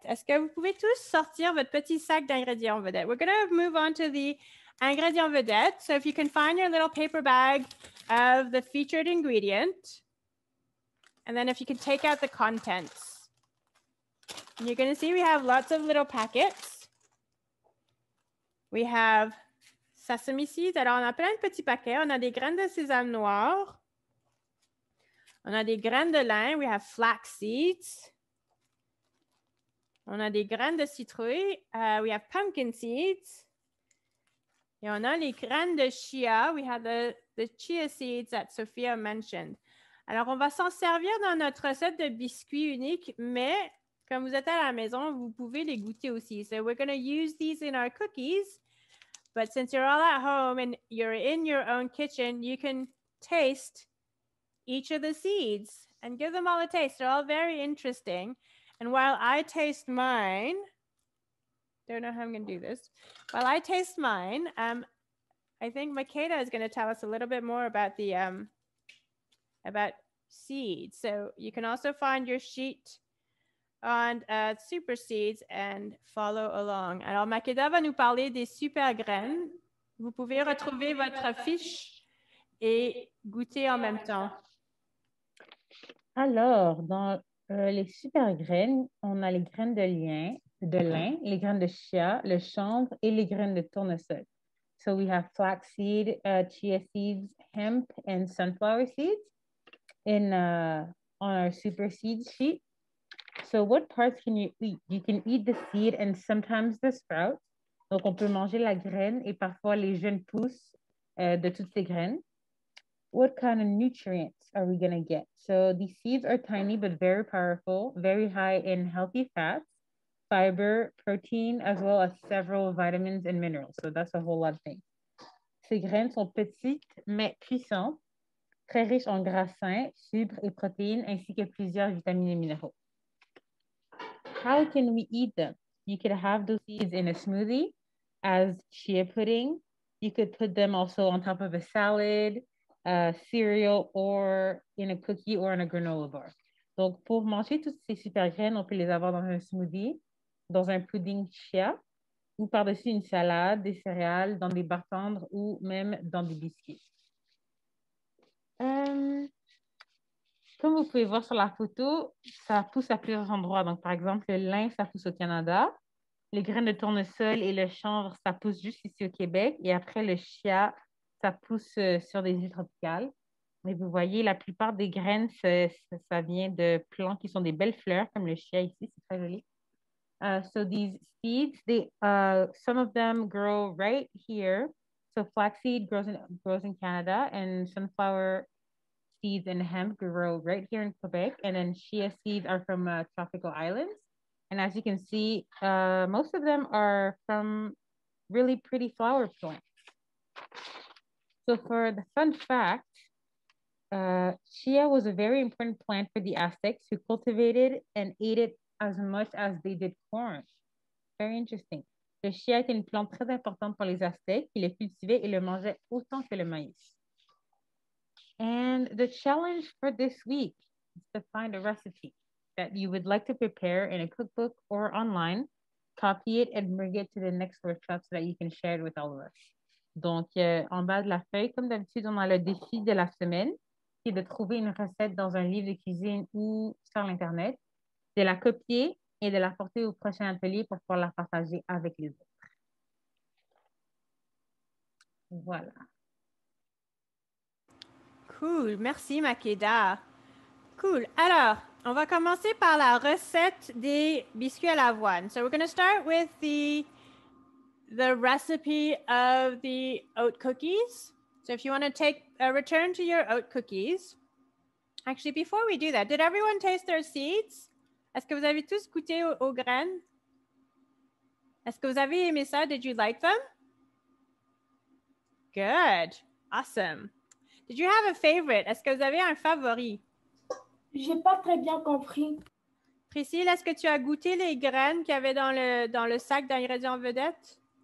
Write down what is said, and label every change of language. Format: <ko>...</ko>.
<fr>Est-ce que vous pouvez tous sortir votre petit sac d'ingrédients vedettes?</fr> <en>We're going to move on to the ingrédient vedette. So if you can find your little paper bag of the featured ingredient, and then if you can take out the contents. You're going to see we have lots of little packets. We have sesame seeds.</en> <fr>Alors, on a plein de petits paquets. On a des graines de sésame noir. On a des graines de lin,</fr> <en>we have flax seeds.</en> <fr>On a des graines de citrouille,</fr> <en>we have pumpkin seeds.</en> <fr>Et on a les graines de chia,</fr> <en>we have the chia seeds that Sophia mentioned.</en> <fr>Alors, on va s'en servir dans notre recette de biscuits unique, mais comme vous êtes à la maison, vous pouvez les goûter aussi.</fr> <en>So, we're going to use these in our cookies. But since you're all at home and you're in your own kitchen, you can taste each of the seeds and give them all a taste. They're all very interesting. And while I taste mine, don't know how I'm going to do this. While I taste mine, I think Makeda is going to tell us a little bit more about the about seeds. So you can also find your sheet on super seeds and follow along.</en> <fr>Alors Makeda va nous parler des super graines. Vous pouvez retrouver votre fiche et goûter en même temps. Alors, dans les super graines, on a les graines de lin, les graines de chia, le chanvre et les graines de tournesol.</fr> <en>So we have flaxseed, chia seeds, hemp, and sunflower seeds in on our super seed sheet. So what parts can you eat? You can eat the seed and sometimes the sprout.</en> <fr>Donc, on peut manger la graine et parfois les jeunes pousses de toutes ces graines.</fr> <en>What kind of nutrients are we going to get? So these seeds are tiny but very powerful, very high in healthy fats, fiber, protein, as well as several vitamins and minerals. So that's a whole lot of things.</en> <fr>Ces graines sont petites mais puissantes, très riches en gras sains, fibres et protéines, ainsi que plusieurs vitamines et minéraux.</fr> <en>How can we eat them? You could have those seeds in a smoothie as chia pudding. You could put them also on top of a salad, cereal or in a cookie or in a granola bar.</en> <fr>Donc, pour manger toutes ces super graines, on peut les avoir dans un smoothie, dans un pudding chia, ou par-dessus une salade, des céréales, dans des barres tendres ou même dans des biscuits. Comme vous pouvez voir sur la photo, ça pousse à plusieurs endroits. Donc, par exemple, le lin, ça pousse au Canada. Les graines de tournesol et le chanvre, ça pousse juste ici au Québec. Et après, le chia, ça pousse sur des îles tropicales. Mais vous voyez, la plupart des graines, ça vient de plants qui sont des belles fleurs, comme le chia ici, c'est très joli.</fr> <en>So these seeds, some of them grow right here. So flaxseed grows in Canada, and sunflower seeds and hemp grow right here in Quebec. And then chia seeds are from tropical islands. And as you can see, most of them are from really pretty flower plants. So for the fun fact, chia was a very important plant for the Aztecs who cultivated and ate it as much as they did corn. Very interesting.</en> <fr>Le chia était une plante très importante pour les Aztecs. Ils le cultivaient et le mangeaient autant que le maïs.</fr> <en>And the challenge for this week is to find a recipe that you would like to prepare in a cookbook or online copy it and bring it to the next workshop so that you can share it with all of us.</en> <fr>Donc, en bas de la feuille, comme d'habitude, on a le défi de la semaine, qui est de trouver une recette dans un livre de cuisine ou sur l'Internet, de la copier et de la porter au prochain atelier pour pouvoir la partager avec les autres. Voilà. Cool. Merci, Makeda. Cool. Alors, on va commencer par la recette des biscuits à l'avoine.</fr> <en>So, we're going to start with the recipe of the oat cookies. So if you want to take a return to your oat cookies. Actually, before we do that, did everyone taste their seeds?</en> <fr>Est-ce que vous avez tous goûté aux graines? Est-ce que vous avez aimé ça?</fr> <en>Did you like them? Good. Awesome. Did you have a favorite?</en> <fr>Est-ce que vous avez un favori? J'ai pas très bien compris. Priscille, est-ce que tu as goûté les graines qu'il y avait dans le sac d'ingrédients vedettes?</fr>